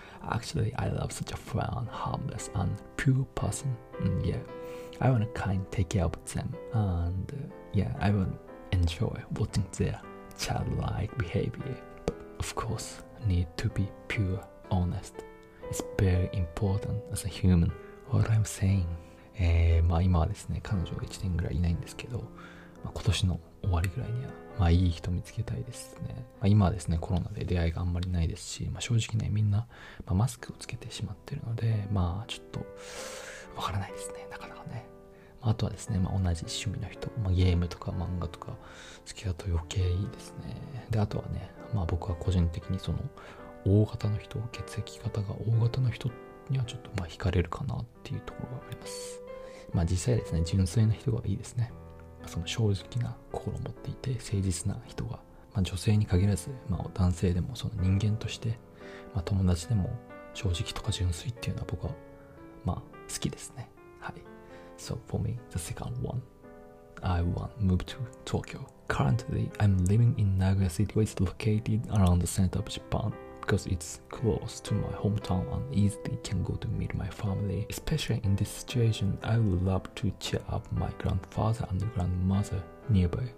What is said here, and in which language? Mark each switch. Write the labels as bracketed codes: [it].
[en] Actually, I love such a fun, harmless, and pure person. And yeah, I want to kind of take care of them. And yeah, I want to enjoy watching their childlike behavior. But of course, I need to be pure, honest. It's very important as a human. What I'm saying. [ja] まあ今はですね、彼女は1年ぐらいいないんですけど、まあ、今年の終わりぐらいには、まあいい人見つけたいですね。まあ、今はですね、コロナで出会いがあんまりないですし、まあ、正直ね、みんな、まあ、マスクをつけてしまってるので、まあちょっと、わからないですね、なかなかね。まあ、あとはですね、まあ、同じ趣味の人、まあ、ゲームとか漫画とか好きだと余計いいですね。で、あとはね、まあ僕は個人的にその、O 型の人、血液型が O 型の人にはちょっとまあ惹かれるかなっていうところがあります。まあ実際ですね、純粋な人がいいですね。その正直な心を持っていて誠実な人が、まあ、女性に限らず、まあ、男性でもその人間として、まあ、友達でも正直とか純粋っていうのは僕は、まあ、好きですね。はい。 [en] So for me, the second one, I want to move to Tokyo. Currently, I'm living in Nagoya City, which is located around the center of Japan. Because it's close to my hometown and easily can go to meet my family. Especially in this situation, I would love to cheer up my grandfather and grandmother nearby.